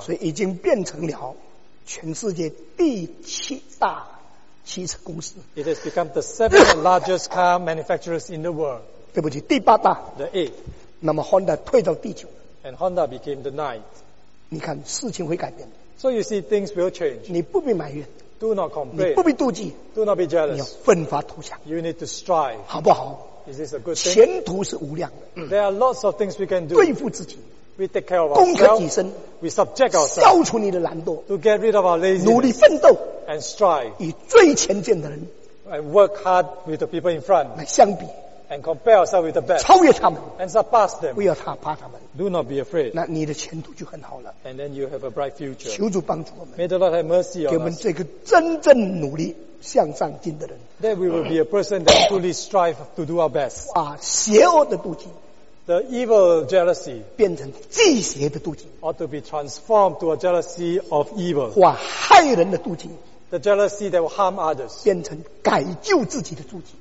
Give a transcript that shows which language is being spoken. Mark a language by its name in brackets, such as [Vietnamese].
[Chinese] 所以已经变成了全世界第七大汽车公司。 [English] It has become the seventh largest car manufacturers in the world. [Chinese] 对不起，第八大。 [English] The eighth. [Chinese] 那么 Honda 退到第九。 [English] And Honda became the ninth. [Chinese] 你看，事情会改变。 [English] So you see, things will change. [Chinese] 你不必埋怨。 [English] Do not complain. [Chinese] 你不必妒忌。 [English] Do not be jealous. [Chinese] 你要奋发图强。 [English] You need to strive. [Chinese] 好不好？ [English] Is this a good thing? [Chinese] 前途是无量的。 [English] There are lots of things we can do. [Chinese] 对付自己。 [English] We take care of ourselves. [Chinese] 攻克己身。 [English] We subject ourselves. [Chinese] 消除你的懒惰。 [English] To get rid of our laziness. [Chinese] 努力奋斗。 [English] And strive. [Chinese] 与最前进的人。 [English] And work hard with the people in front. [Chinese] 来相比。 [English] And compare ourselves with the best. [Chinese] 超越他们。 [English] And surpass them. [Chinese] 不要怕怕他们。 [English] Do not be afraid. [Chinese] 那你的前途就很好了。 [English] And then you have a bright future. [Chinese] 求主帮助我们。 [English] May the Lord have mercy on us. [Chinese] 给我们这个真正努力向上进的人。 [English] That we will be a person that truly strive to do our best. [Chinese] 把邪恶的妒忌。 [English] The evil jealousy. [Chinese] 变成忌邪的妒忌。 [English] Ought to be transformed to a jealousy of evil. [Chinese] 把害人的妒忌。 [English] The jealousy that will harm others. [Chinese] 变成改救自己的妒忌。